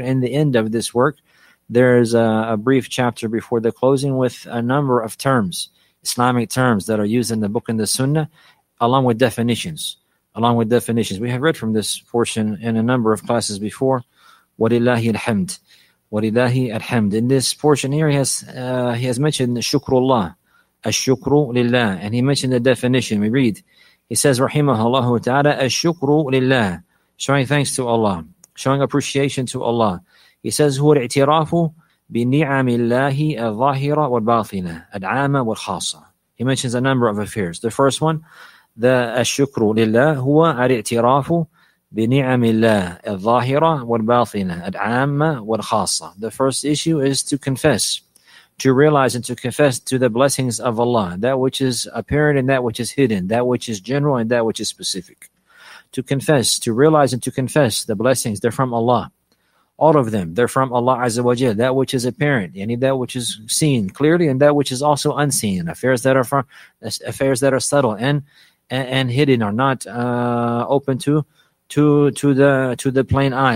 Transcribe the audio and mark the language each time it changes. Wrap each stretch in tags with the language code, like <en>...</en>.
<en>In the end of this work, there is a brief chapter before the closing with a number of terms, Islamic terms that are used in the book and the sunnah, along with definitions. We have read from this portion in a number of classes before.</en> <ar>وَلِلَّهِ الْحَمْدِ وَلِلَّهِ الْحَمْدِ.</ar> <en>In this portion here, he has mentioned</en> <ar>شُكْرُ اللَّهِ أَشْشُكْرُ لِلَّهِ.</ar> <en>And he mentioned the definition. We read, he says,</en> <ar>رَحِمَهَ اللَّهُ تَعَالَى أَشْشُكْرُ لِلَّهِ.</ar> <en>Showing thanks to Allah, showing appreciation to Allah. He says,</en> <ar>هُوَ الْاِعْتِرَافُ بِنِعَمِ اللَّهِ الظَّاهِرَ وَالْبَاطِنَ الْعَامَ وَالْخَاصَ.</ar> <en>He mentions a number of affairs. The first one, the</en> <ar>الشكر لله هو الاعتراف بنعم الله الظاهرة والباطنة العامة والخاصة.</ar> <en>The first issue is to confess, to realize and to confess to the blessings of Allah, that which is apparent and that which is hidden, that which is general and that which is specific. To confess, to realize and to confess the blessings, they're from Allah. All of them, they're from Allah Azza wa Jal. That which is apparent, any that which is seen clearly and that which is also unseen, affairs that are subtle and hidden, are not open to the plain eye.</en>